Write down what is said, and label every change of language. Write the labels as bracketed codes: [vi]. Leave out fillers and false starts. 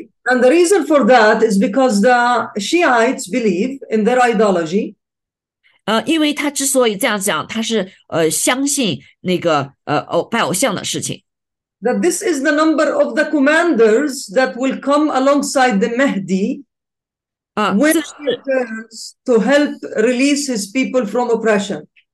[en] And the reason for that is because the Shiites believe in their ideology. [zh] 因为他之所以这样讲，他是相信那个拜偶像的事情. [en] That this is the number of the commanders that will come alongside the Mahdi when he returns to help release his people from oppression.